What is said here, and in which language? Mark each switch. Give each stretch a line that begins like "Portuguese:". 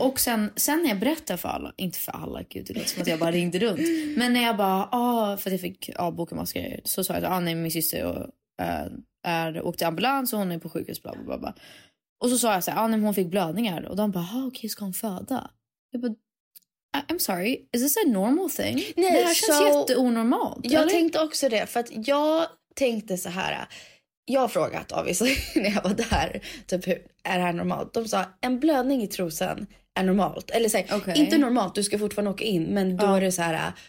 Swedish: och sen när jag berättar för alla, inte för alla, gud, det låter som att jag bara ringde runt. Men när jag bara, för att jag fick avboka massa grejer, så sa jag att nej, min syster åkte ambulans och hon är på sjukhus, bla bla bla. Och så sa jag så här, nej, hon fick blödningar. Och de bara, okej, okay, ska hon föda? Jag bara,
English: I'm sorry, is this a normal thing?
Swedish: Nej, det här känns jätteonormalt. Jag tänkte också det, för att jag tänkte så här... Jag har frågat, obviously, när jag var där, typ, hur är det här normalt? De sa, en blödning i trosan är normalt. Eller säg, okay, inte normalt, du ska fortfarande åka in, men då är det så här...